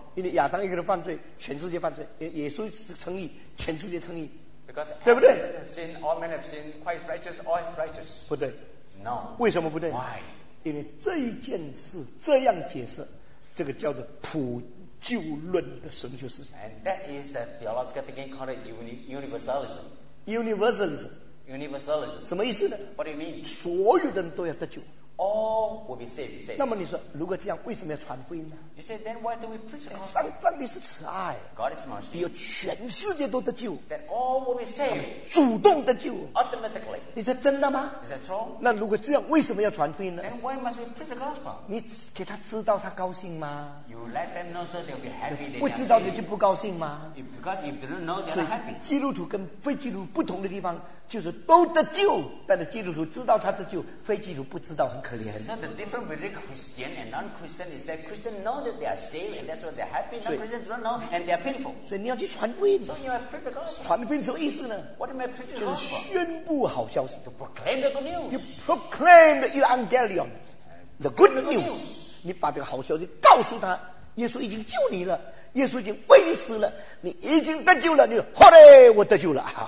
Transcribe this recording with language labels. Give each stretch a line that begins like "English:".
Chinese: 因为亚当一个人犯罪，全世界犯罪，耶稣是称义，全世界称义。
English: Because
Chinese: 对不对
English: ？Sin all men have sinned, Christ righteous, all is righteous。
Chinese: 不对。
English: No。
Chinese: 为什么不对
English: ？Why？
Chinese: 因为这一件事这样解释，这个叫做普。旧论的神学思想
English: and that is the theological thinking called universalism universalism universalism
Chinese: 什么意思呢
English: what do you mean
Chinese: 所有的人都要得救
English: all will be saved.
Chinese: 那么你说，如果这样，为什么要传福音呢？
English: You say, then why do we preach?
Chinese: 上帝是慈爱，
English: God is mercy.
Chinese: 你要全世界都得救，
English: then all will be saved.
Chinese: 主动得救，
English: automatically.
Chinese: 你说真的吗？
English: Is that true?
Chinese: 那如果这样，为什么要传福音呢？
English: Then why must we preach the gospel?
Chinese: 你给他知道他高兴吗？
English: You let them know so they'll be happy.
Chinese: 不知道你就不高兴吗？
English: Because if they don't know, they're not happy.
Chinese: 基督徒跟非基督徒不同的地方就是都得救，但是基督徒知道他得救，非基督徒不知道，很可怜。
English: So the difference between Christian and non-Christian is that Christian know that they are saved and that's why they're happy. Non-Christian don't know and they are painful.
Chinese: 所以你要去传福音。
English: So you have preached the gospel.
Chinese: 传福音什么意思呢？
English: What am I preaching the
Chinese: gospel? 就是宣布好消息。
English: To proclaim the good news. You proclaim the evangelium, the good news.
Chinese: 你把这个好消息告诉他，耶稣已经救你了。耶稣已经为你死了，你已经得救了，你说好嘞，我得救了。